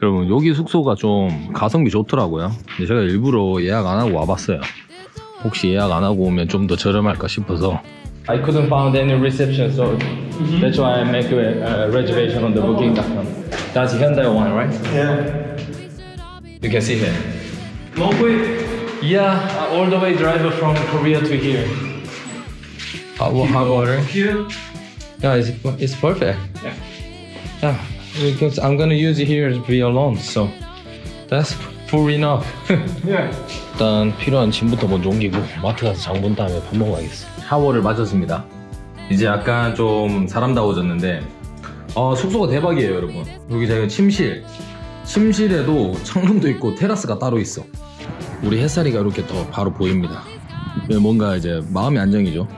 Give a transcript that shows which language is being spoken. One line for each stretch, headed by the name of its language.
Korean: 여기 숙소가 좀 가성비 좋더라고요. 근데 제가 일부러 예약 안 하고 와봤어요. 혹시 예약 안 하고 오면 좀 더 저렴할까 싶어서.
English: I couldn't find any reception, so that's why I make a reservation on the booking.com. That's Hyundai one, right? Yeah. You can see here. Long way? Yeah, all the way driver from Korea to here. How about it? Here? Yeah, it's perfect. Yeah. Yeah, because I'm gonna use it here to be alone, so that's full enough. Yeah.
Korean: 일단 필요한 짐부터 먼저 옮기고 마트 가서 장 본 다음에 밥 먹어 가겠습니다. 샤워를 마쳤습니다. 이제 약간 좀 사람다워졌는데 숙소가 대박이에요 여러분. 여기 제가 침실에도 창문도 있고 테라스가 따로 있어. 우리 햇살이가 이렇게 더 바로 보입니다. 뭔가 이제 마음이 안정이죠.